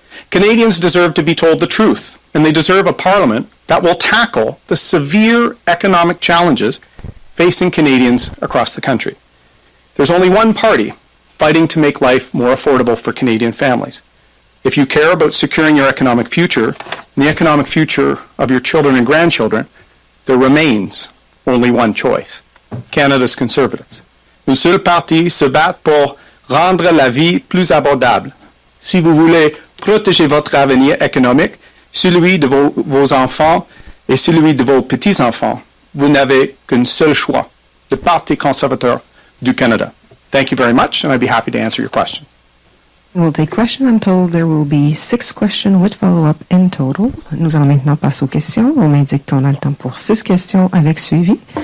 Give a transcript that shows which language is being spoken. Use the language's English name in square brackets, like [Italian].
[English] Canadians deserve to be told the truth, and they deserve a parliament that will tackle the severe economic challenges facing Canadians across the country. There's only one party fighting to make life more affordable for Canadian families. If you care about securing your economic future and the economic future of your children and grandchildren, there remains only one choice, Canada's Conservatives. [French] Une seule partie se bat pour rendre la vie plus abordable. Si vous voulez protéger votre avenir économique, celui de vos enfants et celui de vos petits-enfants, vous n'avez qu'un seul choix, le Parti conservateur du Canada. [English] Thank you very much, and I'd be happy to answer your question. We'll take questions until there will be six questions with follow-up in total. [French] Nous allons maintenant passer aux questions. On m'indique qu'on a le temps pour six questions avec suivi.